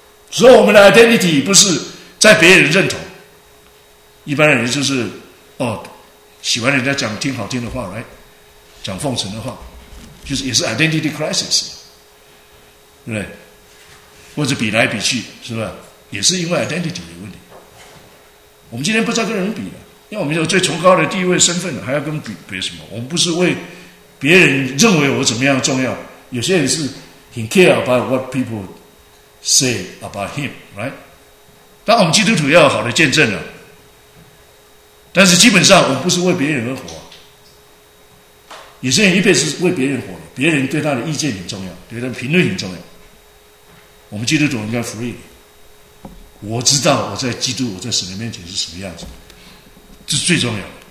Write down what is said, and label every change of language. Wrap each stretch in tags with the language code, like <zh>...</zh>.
<zh>所以我们的 identity 不是在别人认同，一般人就是哦，喜欢人家讲听好听的话，来讲奉承的话，就是也是 identity crisis， 对不对？或者比来比去，是吧？也是因为 identity 有问题。我们今天不知道跟人比了，因为我们有最崇高的地位身份了，还要跟比什么？我们不是为别人认为我怎么样重要。有些人是</zh> <en>he care about what people say about him， right？</en> <zh>当我们基督徒要有好的见证了，但是基本上我们不是为别人而活。有些人一辈子是为别人活的，别人对他的意见很重要，对他的评论很重要。我们基督徒应该 free。我知道我在基督，我在神的面前是什么样子，这是最重要的。</zh>